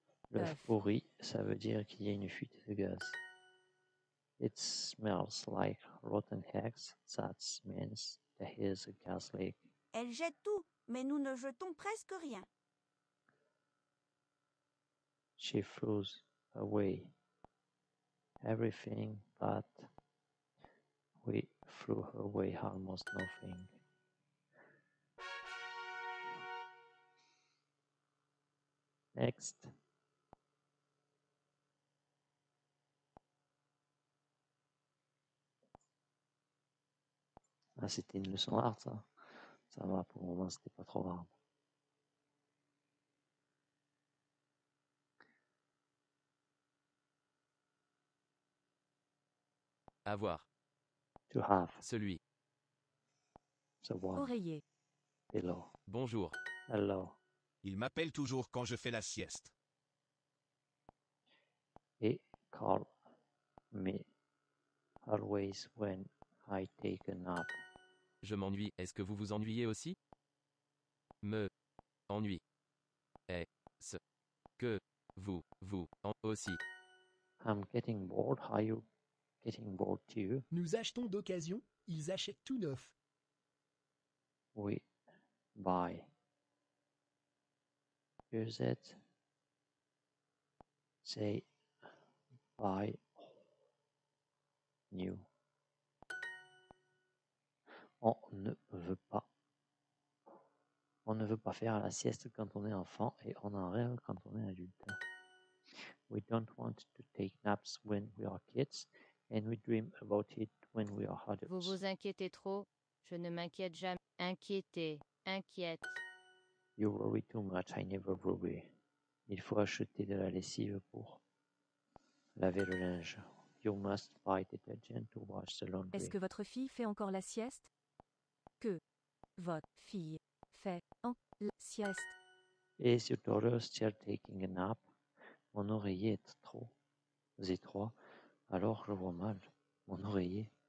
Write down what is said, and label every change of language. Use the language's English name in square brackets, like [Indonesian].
[French] L'œuf pourri, ça veut dire qu'il y a une fuite de gaz. [English] It smells like rotten eggs. That means there is a gas leak. [French] Elle jette tout, mais nous ne jetons presque rien. [English] She throws away everything, but we threw away almost nothing. Next. [French] Ah, c'était une leçon hard, ça. Ça va, pour le moment, c'était pas trop hard. Avoir. [English] To have. [French] Celui. [English] The one. [French] Oreiller. [English] Hello. [French] Bonjour. [English] Hello. [French] Il m'appelle toujours quand je fais la sieste. [English] He calls me always when I take a nap. [French] Je m'ennuie, est-ce que vous vous ennuyez aussi? Me ennuie. Est-ce que vous vous ennuyez aussi? [English] I'm getting bored, are you getting bored too? [French] Nous achetons d'occasion, ils achètent tout neuf. [English] We buy used. They buy new. [French] On ne veut pas faire la sieste quand on est enfant et on en rêve quand on est adulte. [English] We don't want to take naps when we are kids and we dream about it when we are adults. [French] Vous vous inquiétez trop. Je ne m'inquiète jamais. Inquiète. [English] You worry too much. I never worry. [French] Il faut acheter de la lessive pour laver le linge. [English] You must buy detergent to wash the laundry. [French] Est-ce que votre fille fait encore la sieste? Que votre fille fait en sieste. [English] Is your daughter still taking a nap? [French] Mon oreiller est trop étroit. Alors, je vois mal. Mon oreiller.